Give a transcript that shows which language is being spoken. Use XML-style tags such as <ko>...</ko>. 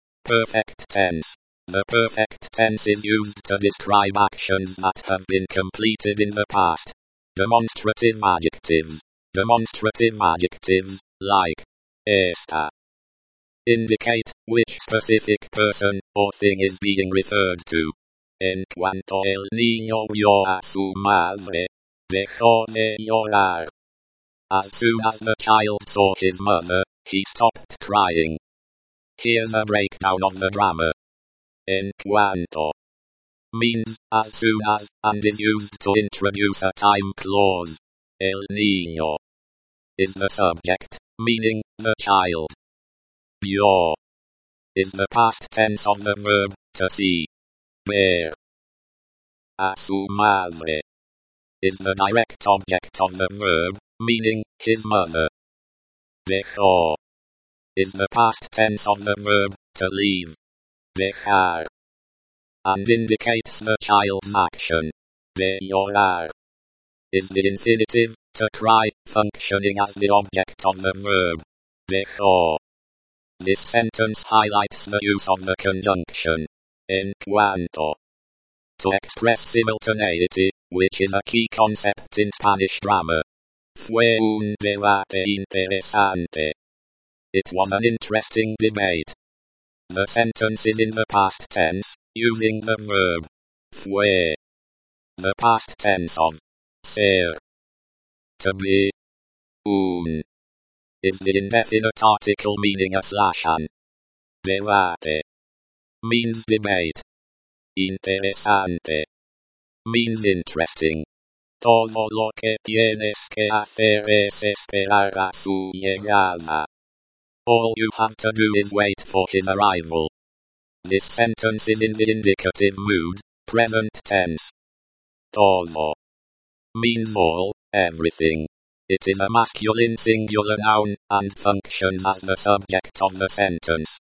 <en>Perfect tense. The perfect tense is used to describe actions that have been completed in the past. Demonstrative adjectives. Demonstrative adjectives, like esta, indicate which specific person or thing is being referred to.</en> <es>En cuanto el niño vio a su madre, dejó de llorar.</es> <en>As soon as the child saw his mother, he stopped crying. Here's a breakdown of the grammar.</en> <es>En cuanto</es> <en>means as soon as, and is used to introduce a time clause.</en> <es>El niño</es> <en>is the subject, meaning the child. Vio is the past tense of the verb to see.</en> <es>Ver a su madre</es> <en>is the direct object of the verb, meaning, his mother. Dejó is the past tense of the verb, to leave. Dejar and indicates the child's action.</en> <es>De llorar</es> <en>is the infinitive, to cry, functioning as the object of the verb. Dejó. This sentence highlights the use of the conjunction.</en> <es>En cuanto</es> <en>to express simultaneity, which is a key concept in Spanish drama.</en> <es>Fue un debate interesante.</es> <en>It was an interesting debate. The sentence is in the past tense, using the verb fue. The past tense of ser to be un is the indefinite article meaning a slash an. Debate means debate. Interesante means interesting.</en> <es>Todo lo que tienes que hacer es esperar a su llegada.</es> <en>All you have to do is wait for his arrival. This sentence is in the indicative mood, present tense. Todo means all, everything. It is a masculine singular noun, and functions as the subject of the sentence.</en>